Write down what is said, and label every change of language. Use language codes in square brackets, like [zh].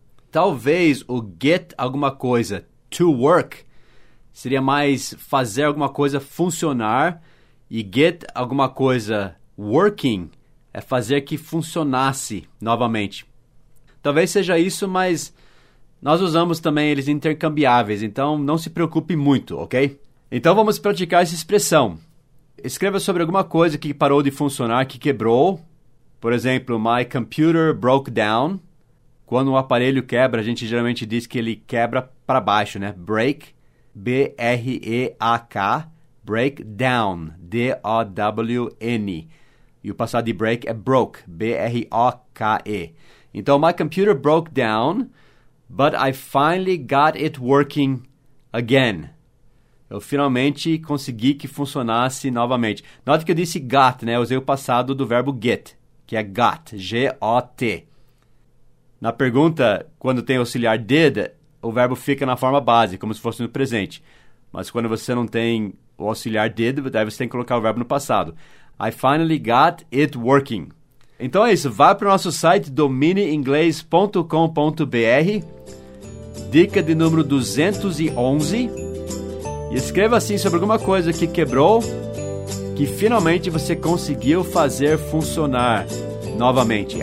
[pt] Talvez o get alguma coisa to work seria mais fazer alguma coisa funcionar, e get alguma coisa working é fazer que funcionasse novamente. Talvez seja isso, mas nós usamos também eles intercambiáveis, então não se preocupe muito, ok? Então vamos praticar essa expressão. Escreva sobre alguma coisa que parou de funcionar, que quebrou. Por exemplo, [en] my computer broke down. [pt] Quando um aparelho quebra, a gente geralmente diz que ele quebra para baixo, né? Break. B-R-E-A-K, break down, D-O-W-N. E o passado de break é broke, B-R-O-K-E. Então, [en] my computer broke down, but I finally got it working again. [pt] Eu finalmente consegui que funcionasse novamente. Note que eu disse got, né? Eu usei o passado do verbo get, que é got, G-O-T. Na pergunta, quando tem auxiliar did, o verbo fica na forma base, como se fosse no presente. Mas quando você não tem o auxiliar did, daí você tem que colocar o verbo no passado. [en] I finally got it working. [pt] Então é isso. Vá para o nosso site domineinglês.com.br, dica de número 211, e escreva assim sobre alguma coisa que quebrou, que finalmente você conseguiu fazer funcionar novamente.